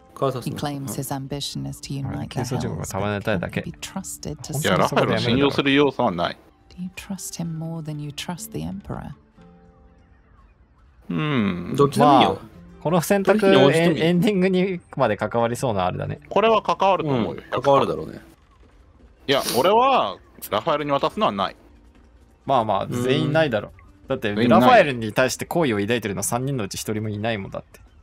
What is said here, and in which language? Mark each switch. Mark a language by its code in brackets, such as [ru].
[en] カーサス。He claims his ambition is to unite the realms. [ja] たまねたいだけ。いや、ラファエルを信用する要素はない。 [en] Do you trust him more than you trust the emperor? [ja] どっちでもいいよ。この選択エンディングにまで関わりそうなあれだね。これは関わると思うよ。関わるだろうね。いや、俺はラファエルに渡すのはない。まあまあ全員ないだろ。だってラファエルに対して好意を抱いてるのは3人のうち1人もいないもんだって。